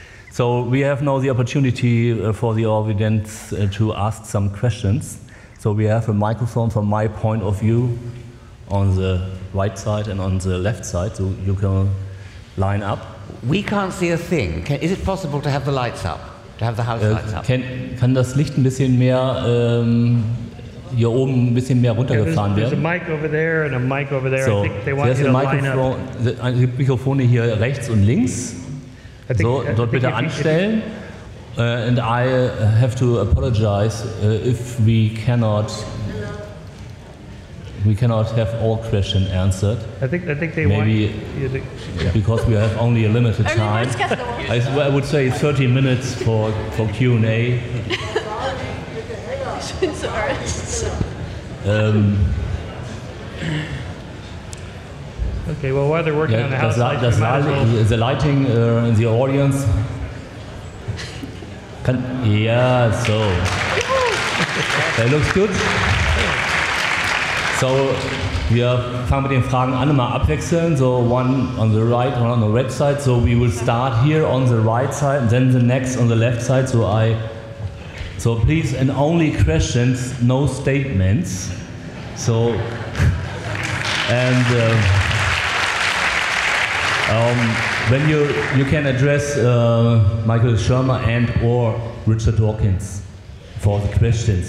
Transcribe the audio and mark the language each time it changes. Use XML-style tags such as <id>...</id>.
<en>So, we have now the opportunity for the audience to ask some questions. So, we have a microphone from my point of view on the right side and on the left side, so you can line up. We can't see a thing. Is it possible to have the lights up? To have the house lights up.</en> <de>Kann das Licht ein bisschen mehr hier oben ein bisschen mehr runtergefahren werden?</de> <en>There's a mic over there and a mic over there. So, I think they want you to line up.</en> <de>Es gibt Mikrofone hier rechts und links. So, dort bitte anstellen.</de> <en>And I have to apologize if we cannot. We cannot have all questions answered. I think they maybe want to, because we have only a limited time. I would say 30 minutes for Q&A. Okay, well, while they're working on the house, the lighting in the audience. Yeah, so that looks good.</en> <de>So, wir fangen mit den Fragen an, mal abwechseln.</de> <en>So, one on the right, one on the right side. So, we will start here on the right side, and then the next on the left side. So please, and only questions, no statements. So, and when you can address Michael Shermer and or Richard Dawkins for the question.</en>